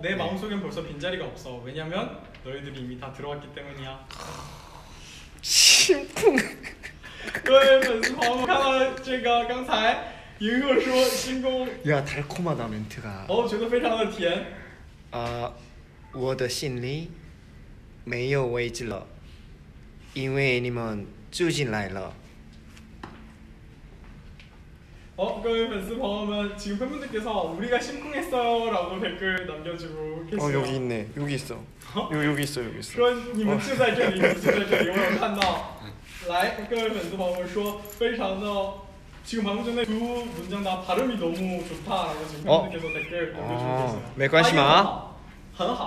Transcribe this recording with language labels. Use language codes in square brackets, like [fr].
[ko] 내 마음속엔 벌써 빈자리가 없어. 왜냐면 너희들이 이미 다 들어왔기 때문이야. 심쿵. [zh] 各位粉丝朋友们看到这个刚才银河说星空 [ko] 야, 달콤하다 멘트가. 어? [zh] 觉得非常的甜. 我的心里没有位置了因为你们住进来了. [ko] 어? [zh] 各位粉丝朋友们 [ko] 지금 팬분들께서 우리가 심쿵했어요 라고 댓글 남겨주고 계세요. 어, 여기 있네. 여기 있어. 어? 여기 있어. 여기 있어. 그럼 [zh] 你们就在这里我有看到来各位粉丝朋友们说非常的 [ko] 지금 방금 전에 두 문장 다 발음이 너무 좋다라고 지금 팬분들께서 댓글 남겨주고 계세요.